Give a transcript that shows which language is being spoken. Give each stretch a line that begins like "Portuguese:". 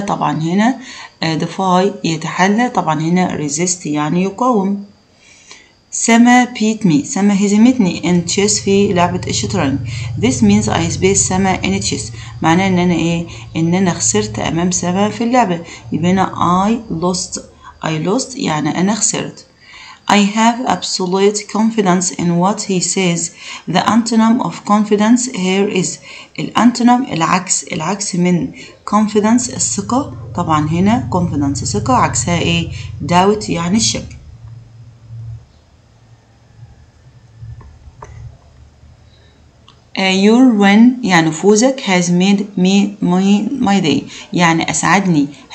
Arabic: طبعا هنا defy يتحدى طبعا هنا resist يعني يقاوم.
English: Sama beat me.
Arabic: Sama هزمتني
English: in chess
Arabic: في لعبة الشطرنج.
English: This means I beat Sama in chess.
Arabic: معناه ان انا ايه ان انا خسرت امام Sama في اللعبة. يبقى انا
English: I lost
Arabic: يعني انا خسرت.
English: I have absolute confidence in what he says. The antonym of confidence here is.
Arabic: الانتونم العكس. العكس من confidence الثقة. طبعا هنا confidence الثقة عكسها ايه doubt يعني الشك.
English: Your win
Arabic: يعني فوزك
English: has made my day
Arabic: يعني أسعدني.